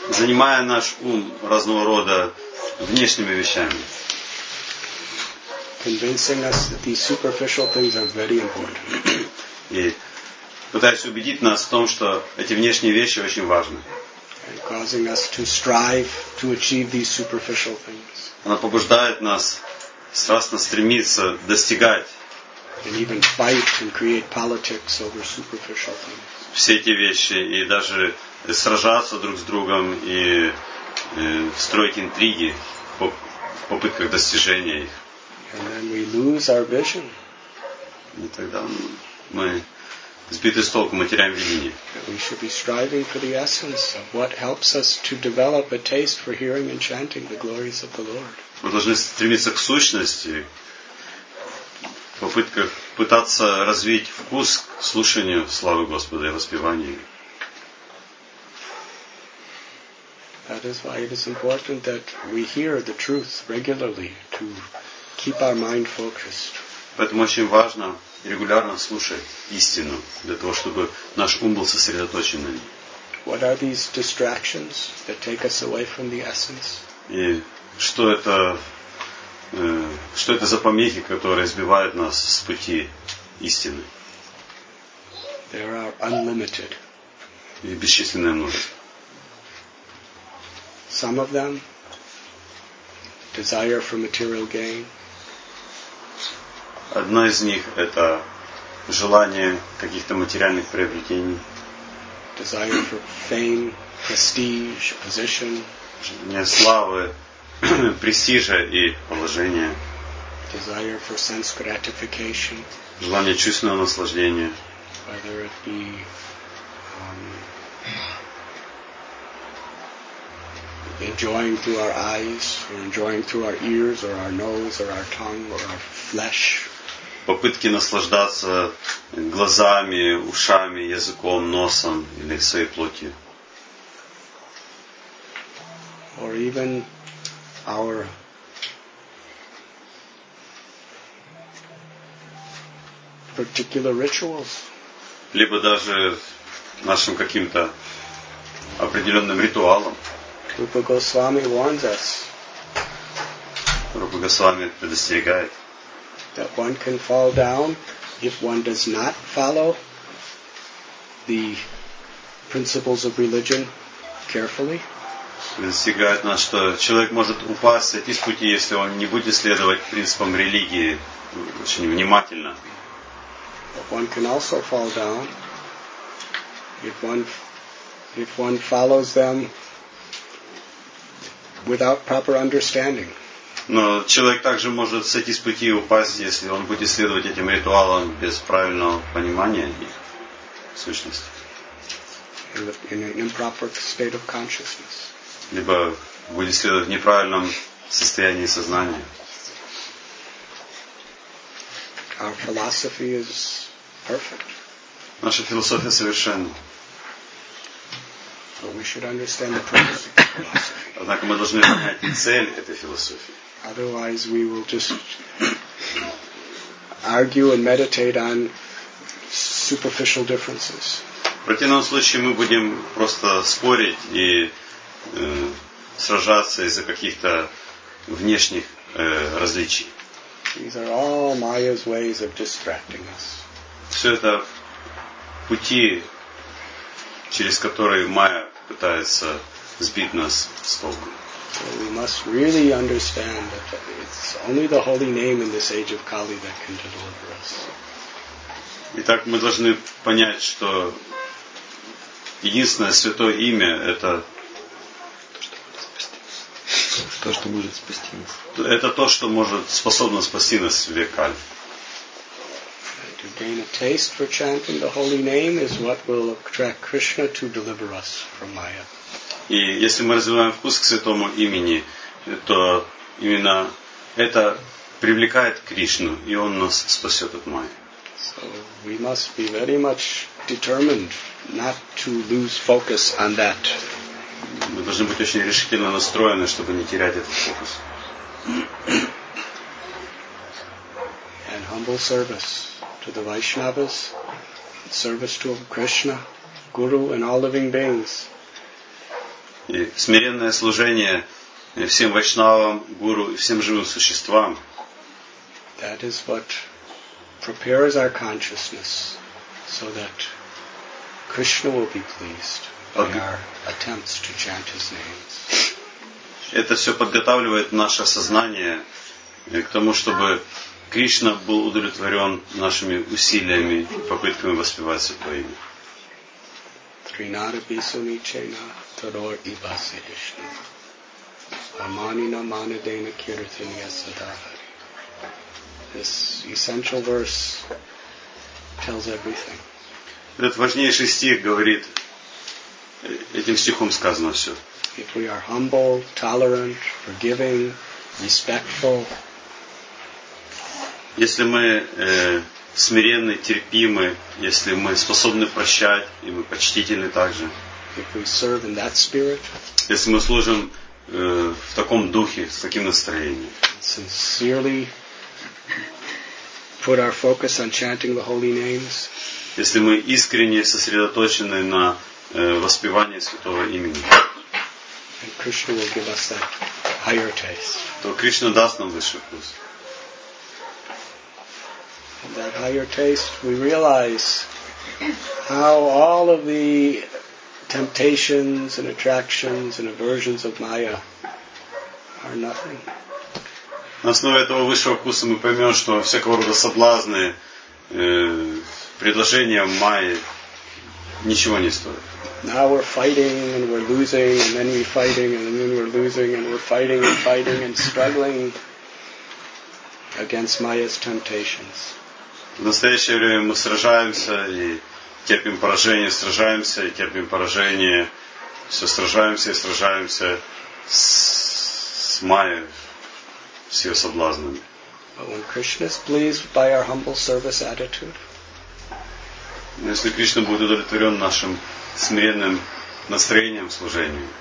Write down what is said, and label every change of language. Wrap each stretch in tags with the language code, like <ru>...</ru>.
<ru>Занимая наш ум разного рода внешними вещами.</ru> <en>Convincing us that these superficial things are very important.</en> <ru>И пытаясь убедить нас в том, что эти внешние вещи очень важны.</ru> <en>And causing us to strive to achieve these superficial things.</en> <ru>Она побуждает нас страстно стремиться достигать.</ru> <en>And even fight and create politics over superficial things.</en> <ru>Все эти вещи и даже сражаться друг с другом и строить интриги в попытках достижения их.</ru> <en>And then we lose our vision.</en> <ru>И тогда мы сбиты с толку, мы теряем видение.</ru> <en>We should be striving for the essence of what helps us to develop a taste for hearing and chanting the glories of the Lord.</en> <ru>Мы должны стремиться к сущности, в попытках пытаться развить вкус к слушанию славы Господа и воспеванию.</ru> <en>That is why it is important that we hear the truth regularly to keep our mind focused.</en> <ru>Поэтому очень важно регулярно слушать истину для того, чтобы наш ум был сосредоточен на ней.</ru> <en>What are these distractions that take us away from the essence?</en> <ru>И что это за помехи, которые сбивают нас с пути истины?</ru> <en>There are unlimited.</en> <ru>И бесчисленное множество.</ru> <en>Some of them, desire for material gain.</en> <ru>Одно из них – это желание каких-то материальных приобретений.</ru> <en>Desire for fame, prestige, position.</en> <ru>Желание славы, престижа и положения.</ru> <en>Desire for sense gratification.</en> <ru>желание чувственного наслаждения.</ru> <en>Whether it be enjoying through our eyes, or enjoying through our ears, or our nose, or our tongue, or our flesh.</en> <ru>Попытки наслаждаться глазами, ушами, языком, носом или своей плотью.</ru> <en>Or even our particular rituals.</en> <ru>Либо даже нашим каким-то определенным ритуалом.</ru> <en>Rupa Goswami warns us.</en> <ru>Rupa Goswami предостерегает.</ru> <en>That one can fall down if one does not follow the principles of religion carefully.</en> <ru>Предостерегает нас, что человек может упасть, сойти с пути, если он не будет следовать принципам религии очень внимательно.</ru> <en>But one can also fall down if one follows them without proper understanding.</en> <ru>Но человек также может сойти с пути и упасть, если он будет следовать этим ритуалам без правильного понимания их сущности.</ru> <en>In an improper state of consciousness.</en> <ru>Либо будет следовать в неправильном состоянии сознания.</ru> <en>Our philosophy is perfect.</en> <ru>Наша философия совершенна.</ru> <en>But we should understand the purpose of the philosophy.</en> <ru>Однако мы должны понять цель этой философии.</ru> <en>Otherwise we will just argue and meditate on superficial differences.</en> <ru>В противном случае мы будем просто спорить и сражаться из-за каких-то внешних различий.</ru> <en>These are all Maya's ways of distracting us.</en> <ru>Все это пути, через которые Майя пытается сбить нас с толку.</ru> <en>So we must really understand that it's only the holy name in this age of Kali that can deliver us.</en> <ru>Итак, мы должны понять, что единственное святое имя это то, что может спасти нас. Это то, что может способно спасти нас в век Кали.</ru> <en>To gain a taste for chanting the holy name is what will attract Krishna to deliver us from Maya.</en> <ru>И если мы развиваем вкус к святому имени, то именно это привлекает Кришну, и Он нас спасет от Майи.</ru> <en>So we must be very much determined not to lose focus on that.</en> <ru>Мы должны быть очень решительно настроены, чтобы не терять этот фокус.</ru> <en>And humble service to the Vaishnavas, service to Krishna, Guru and all living beings.</en> <ru>И смиренное служение всем вайшнавам, гуру и всем живым существам.</ru> <en>That is what prepares our consciousness so that Krishna will be pleased by our attempts to chant his names.</en> <ru>Это все подготавливает наше сознание к тому, чтобы Кришна был удовлетворен нашими усилиями и попытками воспевать Святое Имя.</ru> <sa>Trinada Bisuni Chena Taror Ibasi Hishna Amanina Manadena Kirtaniya Sadahari.</sa> <en>This essential verse tells everything.</en> <ru>Этот важнейший стих говорит, этим стихом сказано все.</ru> <en>If we are humble, tolerant, forgiving, respectful.</en> <ru>Если мы смиренны, терпимы, если мы способны прощать, и мы почтительны также.</ru> <en>If we serve in that spirit,</en> <ru>если мы служим в таком духе, с таким настроением.</ru> <en>Sincerely put our focus on chanting the holy names,</en> <ru>если мы искренне сосредоточены на воспевании святого имени.</ru> <en>And Krishna will give us that higher taste.</en> <ru>То Кришна даст нам высший вкус.</ru> <en>That higher taste, we realize how all of the temptations and attractions and aversions of Maya are nothing.</en> <ru>На основе этого высшего вкуса мы поймем, что всякого рода соблазны, предложения Майи ничего не стоят.</ru> <en>Now we're fighting and we're losing and then we're fighting and then we're losing and we're fighting and fighting and struggling against Maya's temptations.</en> <ru>В настоящее время мы сражаемся и терпим поражение, сражаемся и терпим поражение. Все сражаемся и сражаемся с Майей, с ее соблазнами.</ru> <en>When Krishna is pleased by our humble service attitude.</en> <ru>Если Кришна будет удовлетворен нашим смиренным настроением служения.</ru>